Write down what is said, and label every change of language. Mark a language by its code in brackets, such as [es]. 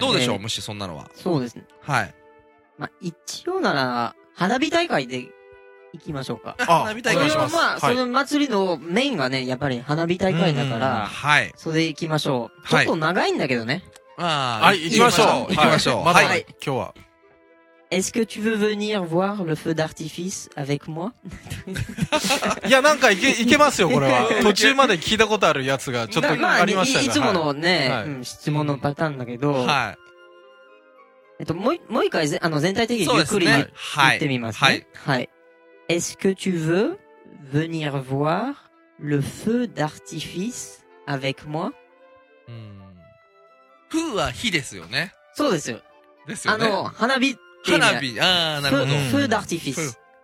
[ja] どうでしょう、ムッシュ、そんなのは。そうですね。はい。まあ、一応なら、花火大会で行きましょうか。あ、花火大会します。それはまあ、その祭りのメインがね、やっぱり花火大会だから、はい。それで行きましょう。ちょっと長いんだけどね。ああ、はい、行きましょう。行きましょう。はい。はい、今日は。 [fr] Est-ce que tu veux venir voir le feu d'artifice avec moi? [ja] いや、なんかいけますよ、これは。途中まで聞いたことあるやつがちょっとありましたね。いつものね、はい、質問のパターンだけど、はい。もう一回、全体的にゆっくり、ね、言ってみますね。はい。はい。 [fr] Est-ce que tu veux venir voir le feu d'artifice avec moi? [ja] フーは火ですよね。そうですよ。ですよね。花火っていう、ね。花火、ああ、なるほど。 [fr] フー d'artifice。